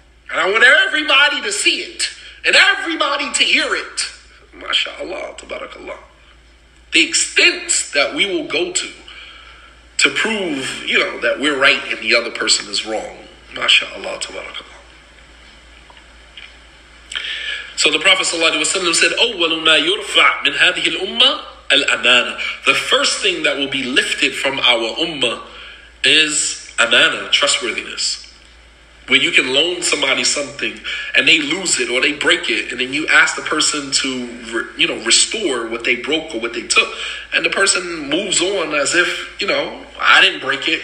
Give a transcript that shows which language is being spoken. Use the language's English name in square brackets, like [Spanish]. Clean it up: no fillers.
[English] And I want everybody to see it and everybody to hear it. MashaAllah, tabarakallah. The extent that we will go to prove, you know, that we're right and the other person is wrong. MashaAllah, tabarakallah. So the Prophet ﷺ said, [Arabic] أول ما يرفع من هذه الأمة الأمانة. [English] The first thing that will be lifted from our ummah is amana, trustworthiness. When you can loan somebody something and they lose it or they break it, and then you ask the person to restore what they broke or what they took, and the person moves on as if, you know, I didn't break it.